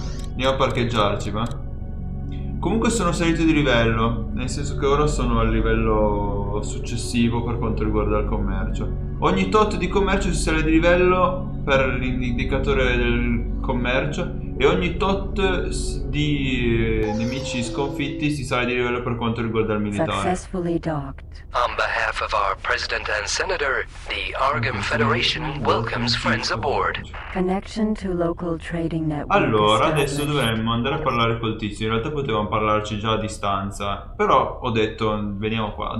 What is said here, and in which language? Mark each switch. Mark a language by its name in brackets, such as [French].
[Italian] Andiamo a parcheggiarci, va? Comunque sono salito di livello, nel senso che ora sono al livello successivo per quanto riguarda il commercio. Ogni tot di commercio si sale di livello per l'indicatore del commercio e ogni tot di nemici sconfitti si sale di livello per quanto riguarda il militare. [English] Successfully docked. On behalf of our president and senator, the Argon Federation welcomes friends aboard. Connection to local trading network. [Italian] Allora, adesso dovremmo andare a parlare col tizio. In realtà potevamo parlarci già a distanza, però ho detto veniamo qua.